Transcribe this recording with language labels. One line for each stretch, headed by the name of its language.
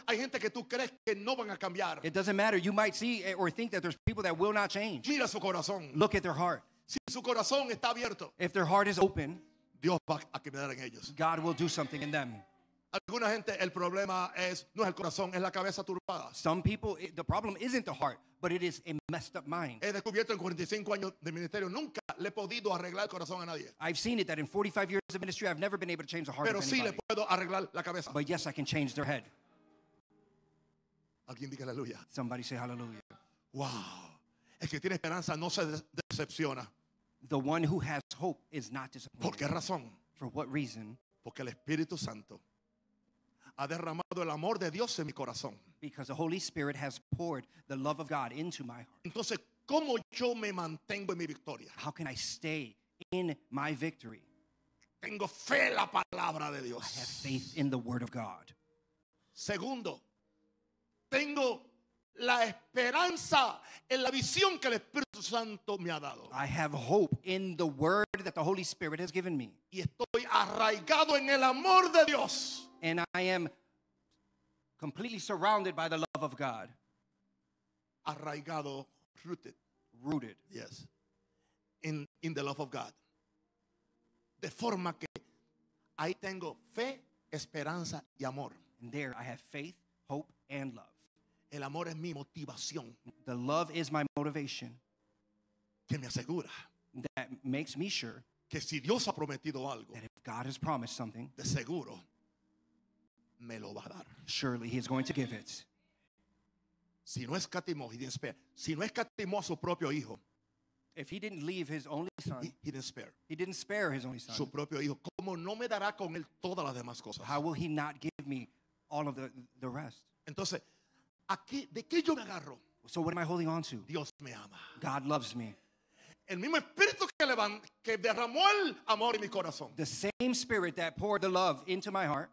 Spanish: Hay gente que tú crees que no van a cambiar.
English: It doesn't matter. You might see or think that there's people that will not change.
Spanish: Mira su corazón.
English: Look at their heart.
Spanish: Si su corazón está abierto,
English: if their heart is open,
Spanish: Dios va a quedar en ellos.
English: God will do something in them.
Spanish: Alguna gente, el problema es, no es el corazón, es la cabeza turbada.
English: Some people, the problem isn't the heart, but it is a messed up mind.
Spanish: He descubierto en 45 años de ministerio, nunca le he podido arreglar el corazón a nadie.
English: I've seen it that in 45 years of ministry, I've never been able to change the heart
Spanish: pero
English: of anybody.
Spanish: Pero sí le puedo arreglar la cabeza.
English: But yes, I can change their head.
Spanish: Alguien diga aleluya.
English: Somebody say hallelujah. Wow.
Spanish: El que tiene esperanza no se decepciona.
English: The one who has hope is not disappointed.
Spanish: ¿Por qué razón?
English: For what reason?
Spanish: Porque el Espíritu Santo ha derramado el amor de Dios en mi corazón.
English: Because the Holy Spirit has poured the love of God into my heart.
Spanish: Entonces, ¿cómo yo me mantengo en mi victoria?
English: How can I stay in my victory?
Spanish: Tengo fe en la palabra de Dios.
English: I have faith in the word of God.
Spanish: Segundo, tengo la esperanza en la visión que el Espíritu Santo me ha dado.
English: I have hope in the word that the Holy Spirit has given me.
Spanish: Y estoy arraigado en el amor de Dios.
English: And I am completely surrounded by the love of God.
Spanish: Arraigado,
English: rooted. Rooted. Yes. In the love of God.
Spanish: De forma que ahí tengo fe, esperanza y amor.
English: And there I have faith, hope, and love.
Spanish: El amor es mi motivación.
English: The love is my motivation.
Spanish: Que me asegura.
English: That makes me sure.
Spanish: Que si Dios ha prometido algo.
English: That if God has promised something.
Spanish: De seguro. Me lo va a dar.
English: Surely he is going to give it.
Spanish: Si no escatimó.
English: He didn't spare.
Spanish: Si no escatimó a su propio hijo.
English: If he didn't leave his only son. He didn't spare. He didn't spare his only son.
Spanish: Su propio hijo. ¿Cómo no me dará con él todas las demás cosas?
English: How will he not give me all of the rest?
Spanish: Entonces. ¿De qué yo me agarro?
English: So what am I holding on to?
Spanish: Dios me ama.
English: God loves me.
Spanish: El mismo espíritu que derramó el amor en mi corazón.
English: The same spirit that poured the love into my heart.